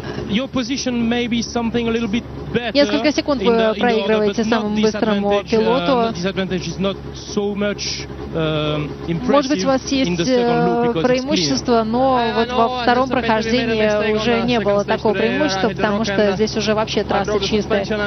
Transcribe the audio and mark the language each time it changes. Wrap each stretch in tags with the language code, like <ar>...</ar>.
<en>Your position may be something a little bit better.</en> <ru>Несколько секунд вы проигрываете самому быстрому пилоту.</ru> <en>Disadvantage is not so much,</en> <ru>может быть, у вас есть преимущество, но вот во втором прохождении уже не было такого преимущества, потому что здесь уже вообще трасса чистая.</ru>